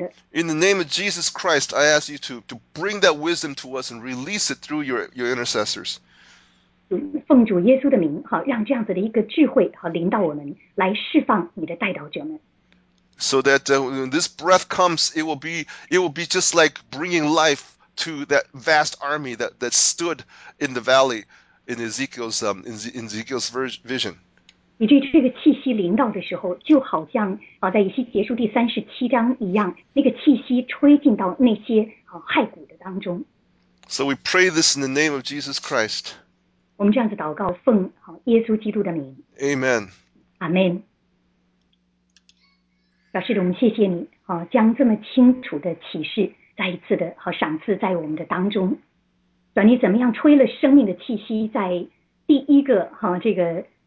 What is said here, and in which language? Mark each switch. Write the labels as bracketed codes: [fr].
[en] In the name of Jesus Christ, I ask you to bring that wisdom to us and release it through your intercessors. [zh] 奉主耶稣的名，好，让这样子的一个智慧，好，临到我们，来释放你的代祷者们。 [en] So that when this breath comes, it will be just like bringing life to that vast army that stood in the valley in Ezekiel's vision. [zh] 以至于这个气息临到的时候，就好像啊，在以西结书第三十七章一样，那个气息吹进到那些啊骸骨的当中。 [en] So we pray this in the name of Jesus Christ. [zh] 我们这样子祷告，奉好耶稣基督的名。 [en] Amen. Amen. [zh] 老师，我们谢谢你啊，将这么清楚的启示再一次的好赏赐在我们的当中。那你怎么样吹了生命的气息在第一个哈、啊、这个？